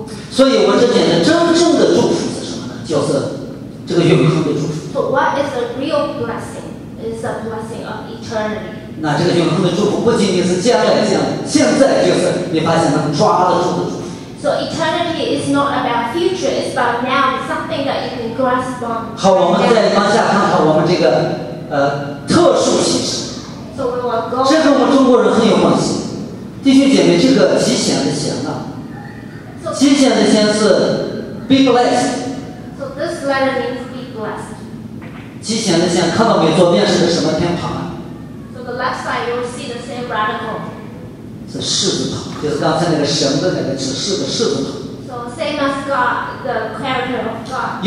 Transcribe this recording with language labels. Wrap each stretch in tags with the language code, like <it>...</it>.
<zh>所以我这讲的真正的祝福是什么呢？就是这个永恒的祝福。</zh> <en>So what is a real blessing? It's a blessing of eternity.</en> <zh>那这个永恒的祝福不仅仅是将来讲，现在就是你发现能抓得住的祝福。</zh> <en>So eternity is not about future, it's about now, something that you can grasp on.</en> <zh>好，我们再往下看看我们这个特殊启示。</zh> <en>So we will go.</en> <zh>这跟我们中国人很有关系，弟兄姐妹，这个吉祥的祥啊。吉祥的祥是</zh> <en>be blessed. So this letter means be blessed.</en> <zh>吉祥的祥，看到没？左边是个什么偏旁啊</zh> <en>？So the left side you'll see the same radical.</en> <zh>是士字旁，就是刚才那个神的那个指示的士字旁。</zh> <en>So same as God, the character of God.</en>